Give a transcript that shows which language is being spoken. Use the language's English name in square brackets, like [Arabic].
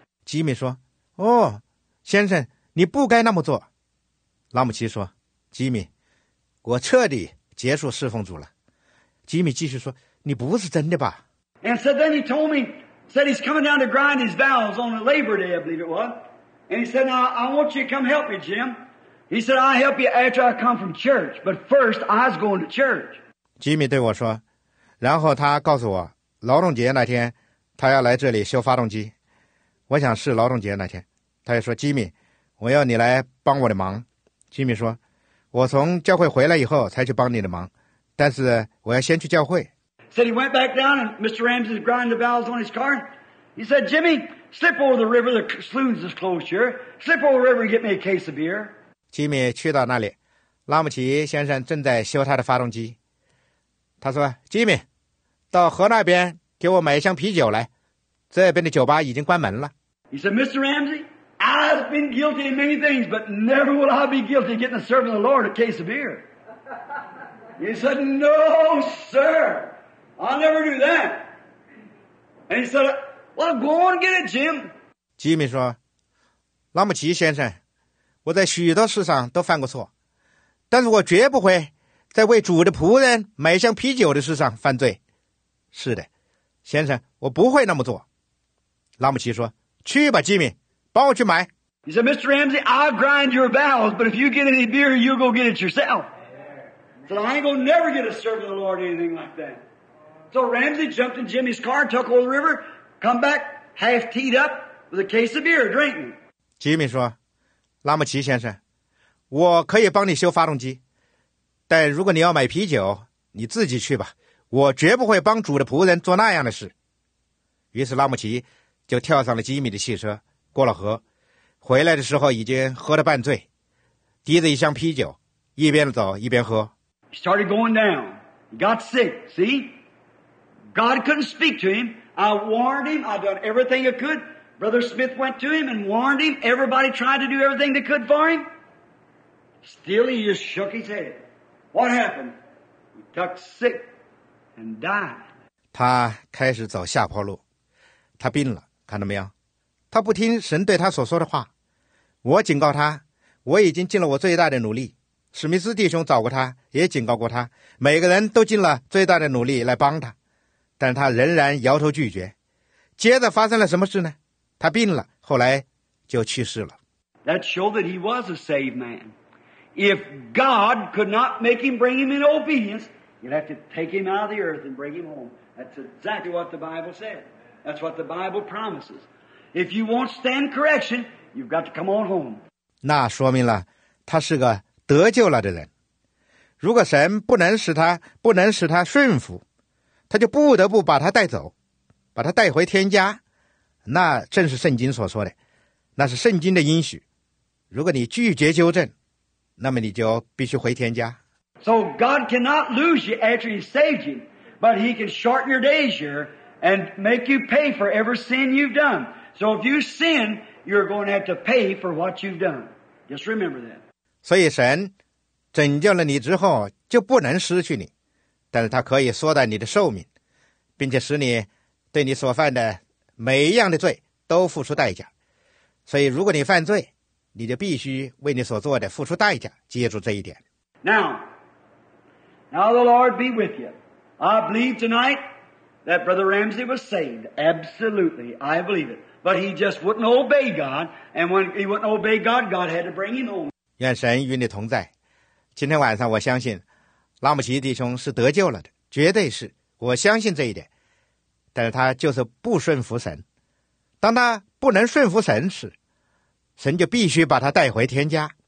[Chinese] 吉米说：“哦，先生，你不该那么做。” 拉姆奇说：“吉米，我彻底结束侍奉主了。” 吉米继续说：“你不是真的吧？” [English] And so then he told me, said he's coming down to grind his valves on the Labor Day, I believe it was. And he said, "Now I want you to come help me, Jim." He said, "I'll help you after I come from church, but first I was going to church." [Chinese] 吉米对我说，然后他告诉我，劳动节那天他要来这里修发动机。我想是劳动节那天，他也说，吉米，我要你来帮我的忙。吉米说，我从教会回来以后才去帮你的忙，但是我要先去教会。 [English] Said he went back down and Mr. Ramsey's grinding the valves on his car. He said, "Jimmy, slip over the river. The saloons is closed here. Slip over the river and get me a case of beer." [Chinese] Jimmy 去到那里，拉姆奇先生正在修他的发动机。他说 ，Jimmy， 到河那边给我买一箱啤酒来。这边的酒吧已经关门了。 [English] He said, "Mr. Ramsey, I've been guilty of many things, but never will I be guilty of getting a servant of the Lord a case of beer." He said, "No, sir." I'll never do that. And he said, "Well, go on and get it, Jim." [Chinese] Jimmy 说，拉姆奇先生，我在许多事上都犯过错，但是我绝不会在为主的仆人买一箱啤酒的事上犯罪。是的，先生，我不会那么做。拉姆奇说，去吧 ，Jimmy， 帮我去买。 [English] He said, "Mr. Ramsey, I'll grind your bowels, but if you get any beer, you'll go get it yourself." He said, "I ain't gonna never get a servant of the Lord anything like that." So Ramsey jumped in Jimmy's car, took over the river, come back half teed up with a case of beer, drinking. [Chinese] Jimmy 说，拉姆奇先生，我可以帮你修发动机，但如果你要买啤酒，你自己去吧，我绝不会帮主的仆人做那样的事。于是拉姆奇就跳上了吉米的汽车，过了河，回来的时候已经喝得半醉，提着一箱啤酒，一边走一边喝。 [English] He started going down. He got sick. See? God couldn't speak to him. I warned him. I done everything I could. Brother Smith went to him and warned him. Everybody tried to do everything they could for him. Still, he just shook his head. What happened? He got sick and died. [Chinese] 他开始走下坡路。他病了，看到没有？他不听神对他所说的话。我警告他，我已经尽了我最大的努力。史密斯弟兄找过他，也警告过他。每个人都尽了最大的努力来帮他。但他仍然摇头拒绝。接着发生了什么事呢？他病了，后来就去世了。 [English] That showed that he was a saved man. If God could not make him bring him in obedience, he'd have to take him out of the earth and bring him home. That's exactly what the Bible said. That's what the Bible promises. If you won't stand correction, you've got to come on home. [Chinese] 那说明了他是个得救了的人。如果神不能使他顺服，他就不得不把他带走，把他带回天家。那正是圣经所说的，那是圣经的应许。如果你拒绝纠正，那么你就必须回天家。 [English] So God cannot lose you after He saved you, but He can shorten your days here and make you pay for every sin you've done. So if you sin, you're going to have to pay for what you've done. Just remember that. [Chinese] 所以神拯救了你之后，就不能失去你。但是他可以缩短你的寿命，并且使你对你所犯的每一样的罪都付出代价。所以如果你犯罪，你就必须为你所做的付出代价，记住这一点。 [English] Now the Lord be with you. I believe tonight that Brother Ramsey was saved. Absolutely. I believe it. But he just wouldn't obey God. And when he wouldn't obey God, God had to bring him home. [Chinese] 愿神与你同在。今天晚上我相信拉姆奇弟兄是得救了的，绝对是，我相信这一点。但是他就是不顺服神，当他不能顺服神时，神就必须把他带回天家。